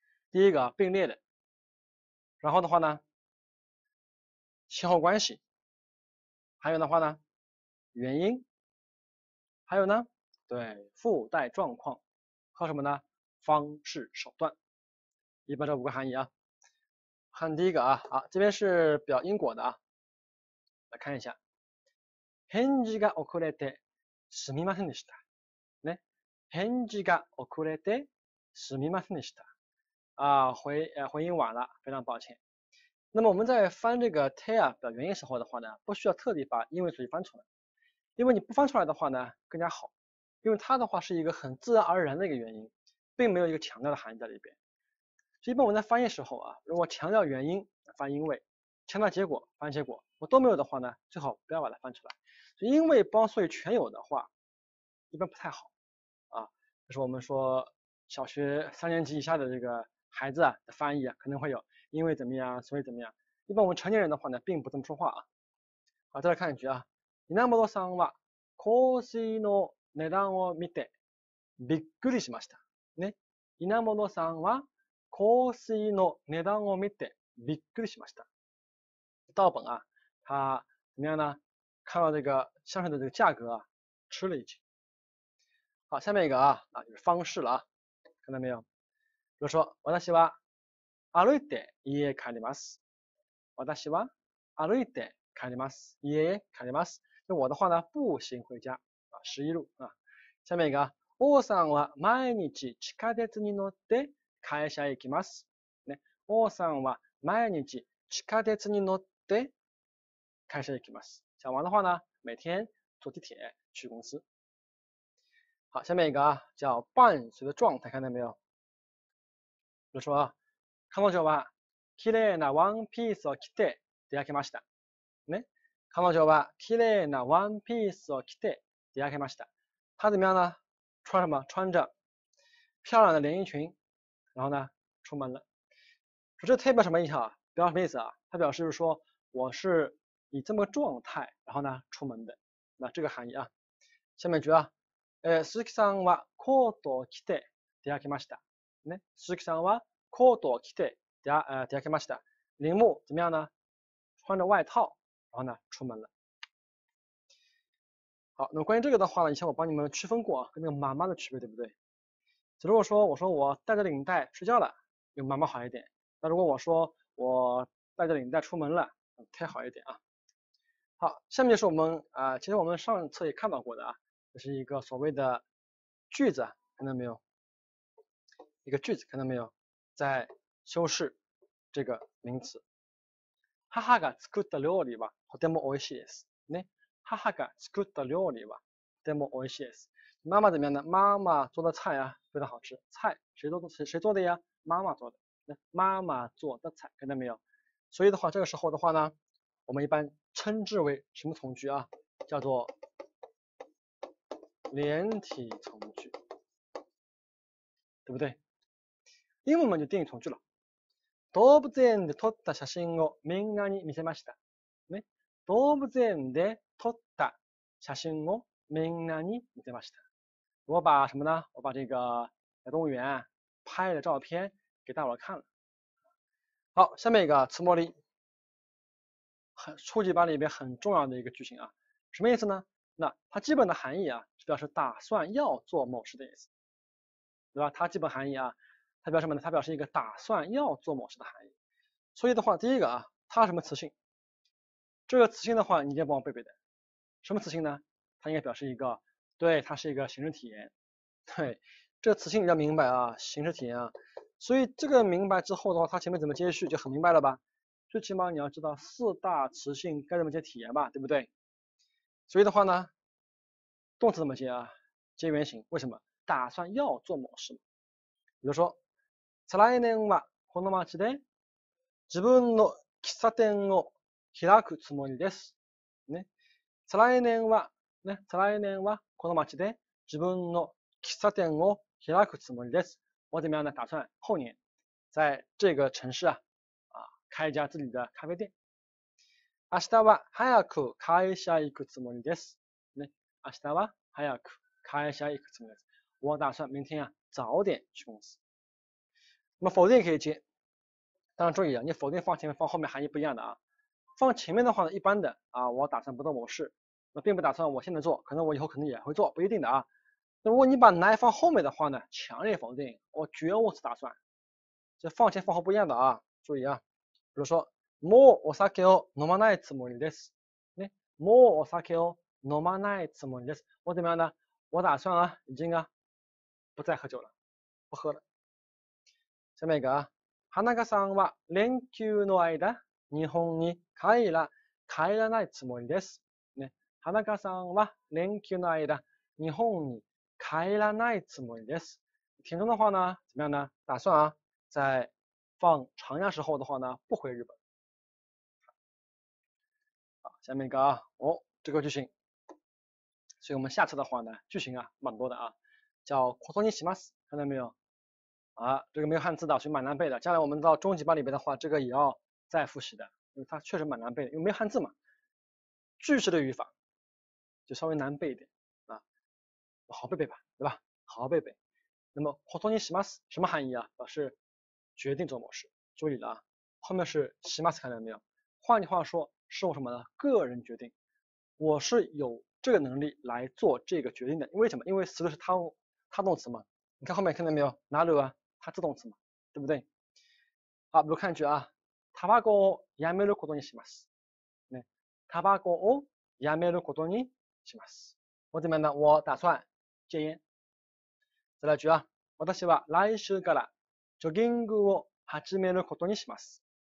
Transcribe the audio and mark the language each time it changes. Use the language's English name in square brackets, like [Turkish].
[Chinese] 第一个啊，并列的，然后的话呢，先后关系，还有的话呢，原因。还有呢，对，附带状况和什么呢？方式手段，一般这五个含义啊。看第一个啊，好，这边是表因果的啊，来看一下。 [Japanese] 返事が遅れてすみませんでした。ね、返事が遅れてすみませんでした。 [Chinese] 啊，回应晚了，非常抱歉。那么我们在翻这个 te 啊表原因时候的话呢，不需要特地把因为主语翻出来。因为你不翻出来的话呢，更加好，因为它的话是一个很自然而然的一个原因，并没有一个强调的含义在里边。所以一般我们在翻译时候啊，如果强调原因翻因为，强调结果翻结果，我都没有的话呢，最好不要把它翻出来。所以因为帮所以全有的话，一般不太好啊。就是我们说小学3年级以下的这个孩子啊的翻译啊，可能会有因为怎么样，所以怎么样。一般我们成年人的话呢，并不这么说话啊。好，再来看一句啊。 [Japanese] 稲本さんは香水の値段を見てびっくりしました。ね、稲本さんは香水の値段を見てびっくりしました。 [Chinese] 道本啊，他怎么样呢？看到这个香水的这个价格啊，吃了一惊。好，下面一个啊，就是方式了啊，看到没有？比如说， [Japanese] 私は歩いて家へ帰ります。私は歩いて帰ります。家へ帰ります。 [Chinese] 我的话呢，步行回家啊，十一路啊。下面一个， [Japanese] 王さんは毎日地下鉄に乗って会社へ行きます。ね、王さんは毎日地下鉄に乗って会社へ行きます。 [Chinese] 小王的话呢，每天坐地铁去公司。好，下面一个啊，叫伴随的状态，看到没有？ [Japanese] 比如说，彼女は綺麗なワンピースを着て出かけました。ね。彼女は綺麗なワンピースを着て出かけました。 [Chinese] 她怎么样呢？穿什么？穿着漂亮的连衣裙，然后呢，出门了。说这代表什么意思啊？表什么意思啊？它表示就是说我是以这么个状态，然后呢，出门的。那这个含义啊。下面一句啊， [Japanese] 鈴木さんはコートを着て出かけました。ね、鈴木さんはコートを着て出かけました。 [Chinese] 铃木怎么样呢？穿着外套。然后呢，出门了。好，那么关于这个的话呢，以前我帮你们区分过啊，跟那个妈妈的区别，对不对？就如果说我说我带着领带睡觉了，用妈妈好一点。那如果我说我带着领带出门了，太好一点啊。好，下面就是我们其实我们上次也看到过的啊，这是一个所谓的句子，看到没有？一个句子，看到没有？在修饰这个名词。 [Japanese] 母が作った料理はとても美味しいです。ね、母が作った料理はとても美味しいです。 [Chinese] 妈妈怎么样呢？妈妈做的菜啊，非常好吃。菜谁做的呀？妈妈做的。那妈妈做的菜，看到没有？所以的话，这个时候的话呢，我们一般称之为什么从句啊？叫做连体从句，对不对？英文嘛，就定语从句了。 [Japanese] 動物園で撮った写真をみんなに見せました。ね、動物園で撮った写真をみんなに見せました。 [Chinese] 我把什么呢？我把这个在动物园拍的照片给大伙看了。好，下面一个茨莫里，很初级班里边很重要的一个句型啊，什么意思呢？那它基本的含义啊，是表示打算要做某事的意思，对吧？它基本含义啊。它表示什么呢？它表示一个打算要做某事的含义。所以的话，第一个啊，它什么词性？这个词性的话，你先帮我背背的。什么词性呢？它应该表示一个，对，它是一个形式体验。对，这个词性你要明白啊，形式体验啊。所以这个明白之后的话，它前面怎么接续就很明白了吧？最起码你要知道四大词性该怎么接体验吧，对不对？所以的话呢，动词怎么接啊？接原形。为什么？打算要做某事。比如说。 [Japanese] 再来年はこの町で自分の喫茶店を開くつもりです。ね、再来年はね、再来年はこの町で自分の喫茶店を開くつもりです。 [Chinese] 我怎么样呢？打算后年在这个城市啊，开一家自己的咖啡店。 [Japanese] 明日は早く会社行くつもりです。ね、明日は早く会社行くつもりです。 [Chinese] 我打算明天啊早点去公司。那么否定可以接，当然注意啊，你否定放前面放后面含义不一样的啊。放前面的话呢，一般的啊，我打算不做某事，那并不打算我现在做，可能我以后可能也会做，不一定的啊。那如果你把 来 放后面的话呢，强烈否定，我绝无此打算。这放前放后不一样的啊，注意啊。比如说， [Japanese] もうお酒を飲まないつもりです。ね、もうお酒を飲まないつもりです。 [Chinese] 我怎么样呢？我打算啊，已经啊，不再喝酒了，不喝了。下面一个啊， [Japanese] 花中さんは連休の間、日本に帰らないつもりです。ね、花中さんは連休の間、日本に帰らないつもりです。 [Chinese] 听众的话呢，怎么样呢？打算啊，在放长假时候的话呢，不回日本。好，下面一个啊，哦，这个句型。所以我们下次的话呢，句型啊，蛮多的啊，叫ことにします，看到没有？啊，这个没有汉字的，所以蛮难背的。将来我们到中级班里边的话，这个也要再复习的，因为它确实蛮难背的，因为没有汉字嘛，句式的语法就稍微难背一点。好好背背吧，对吧？好好背背。那么ことにします，什么含义啊？表示决定做某事。注意了啊，后面是します，看到没有？换句话说，是我什么呢？个人决定，我是有这个能力来做这个决定的。为什么？因为词的是他动词嘛。你看后面看到没有？哪里啊？它自动词嘛，对不对？好，比如看一句啊， [Japanese] タバコをやめることにします。 네，タバコをやめることにします。 [Chinese] 我怎么样呢？我打算戒烟。再来一句啊， [Japanese] 私は来週からジョギングを始めることにします。